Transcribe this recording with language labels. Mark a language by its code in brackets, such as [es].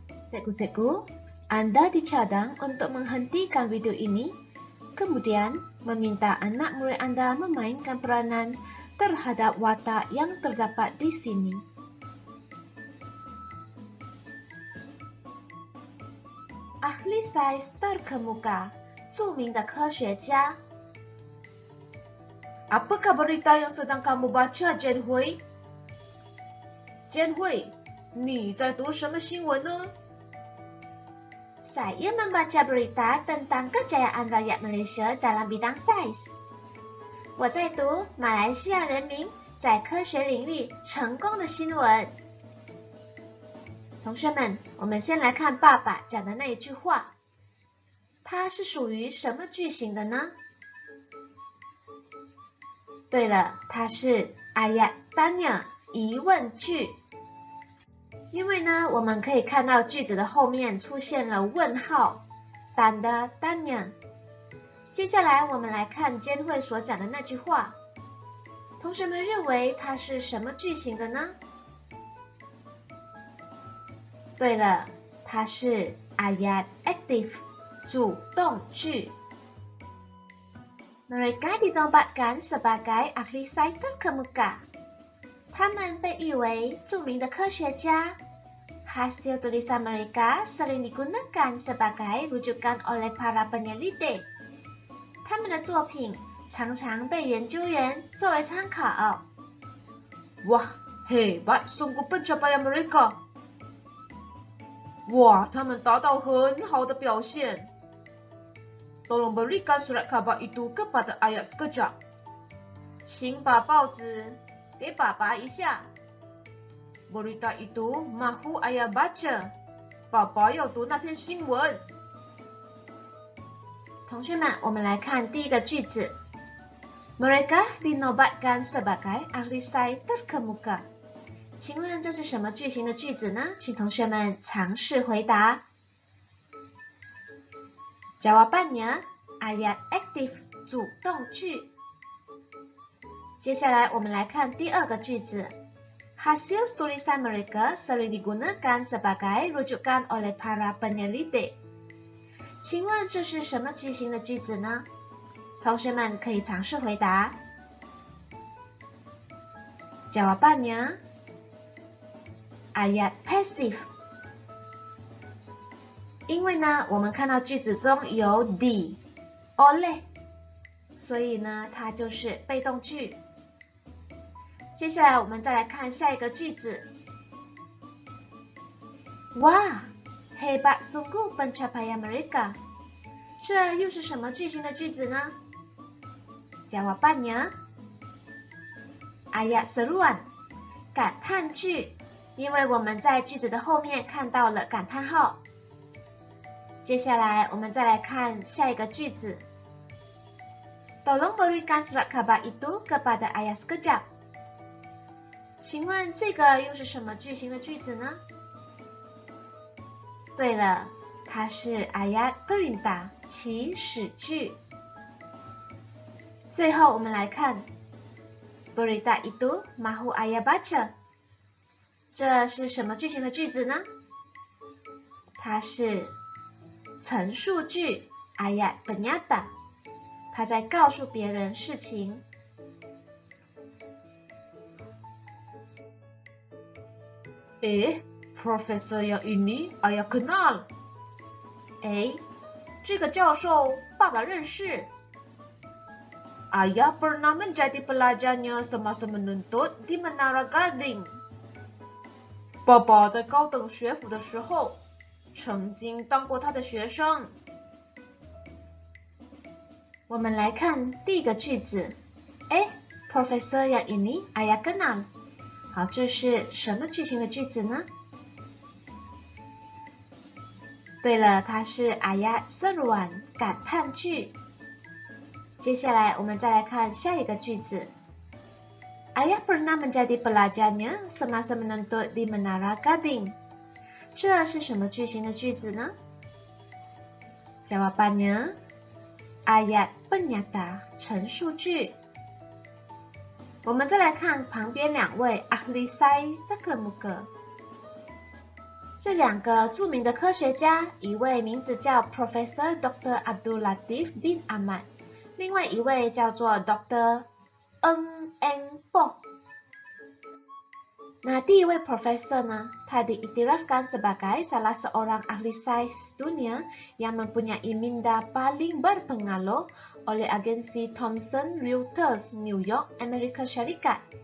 [ms] Cikgu-cikgu, anda dicadang untuk menghentikan video ini, kemudian meminta anak murid anda memainkan peranan terhadap watak yang terdapat di sini. Ahli sains terkemuka, [zh] 著名的科学家。 [ms] Apakah berita yang sedang kamu baca, Jian Hui? [zh] Jian Hui, 你在读什么新闻呢？ [ms] Saya membaca berita tentang kejayaan rakyat Malaysia dalam bidang sains. [zh] 我在读马来西亚人民在科学领域成功的新闻。同学们，我们先来看爸爸讲的那一句话，它是属于什么句型的呢？对了，它是 [ms] ayat tanya [zh] 疑问句。因为呢，我们可以看到句子的后面出现了问号 [ms] tanda tanya。 [zh] 接下来我们来看监会所讲的那句话，同学们认为它是什么句型的呢？对了，它是 [ms] ayat aktif [zh] 主动句。 [ms] Mereka ditempatkan sebagai ahli sains terkemuka， [zh] 他们被誉为著名的科学家。 [ms] Hasil tulisan mereka sering digunakan sebagai rujukan oleh para peneliti， [zh] 他们的作品常常被研究员作为参考。 [ms] Wah, hebat sungguh pencapaian mereka。 [zh] 哇，他们达到很好的表现。 [ms] Tolong berikan surat khabar itu kepada ayah sekejap。 [zh] 请把报纸给爸爸一下。 [ms] Berita itu mahu ayah baca。 [zh] 爸爸要读那篇新闻。同学们，我们来看第一个句子。 [ms] Mereka dinobatkan sebagai ahli sains terkemuka。 [zh] 请问这是什么句型的句子呢？请同学们尝试回答。 [ms] Jawabannya ayat aktif [zh] 主动句。接下来我们来看第二个句子。 [ms] Hasil tulisan mereka sering digunakan sebagai rujukan oleh para peneliti。 [zh] 请问这是什么句型的句子呢？同学们可以尝试回答。 [ms] Jawabannya。 Ayat passive， [zh] 因为呢，我们看到句子中有 di oleh， 所以呢，它就是被动句。接下来我们再来看下一个句子。 [ms] 哇， hebat sungguh pencapaian mereka， [zh] 这又是什么句型的句子呢？ [ms] Jawabannya ayat seruan， [zh] 感叹句。因为我们在句子的后面看到了感叹号。接下来我们再来看下一个句子。 [ms] Tolong berikan surat khabar itu kepada ayah sekejap。 [zh] 请问这个又是什么句型的句子呢？对了，它是 [ms] ayat perintah [zh] 起始句。最后我们来看 [ms] berita itu mahu ayah baca。 [zh] 这是什么句型的句子呢？它是陈述句 [ms] ayat pernyata， [zh] 它在告诉别人事情。 [ms] Profesor yang ini ayah kenal。 [zh] 这个教授爸爸认识。 [ms] Ayah pernah menjadi pelajarnya semasa menuntut di Menara Garden。 [zh] 爸爸在高等学府的时候曾经当过他的学生。我们来看第一个句子。诶 ,Professor 要与你阿亚根南。好，这是什么句型的句子呢？对了，它是阿亚瑟鲁安感叹句。接下来我们再来看下一个句子。 [ms] Ayah pernah menjadi pelajarnya semasa menuntut di Menara Gading. [zh] 这是什么句型的句子呢？ [ms] Jawabannya, ayat pernyata [zh] 陈述句。我们再来看旁边两位 [ms] Ahli Sai Sakramuka。 [zh] 这两个著名的科学家，一位名字叫 Professor Dr. Abdul Latif bin Ahmad， 另外一位叫做 Dr. Ng Eng Bo。那第一位 Professor 呢，他的 [ms] diitirafkan sebagai salah seorang ahli sains dunia yang mempunyai minda paling berpengaruh oleh agensi Thomson Reuters New York Amerika Syarikat。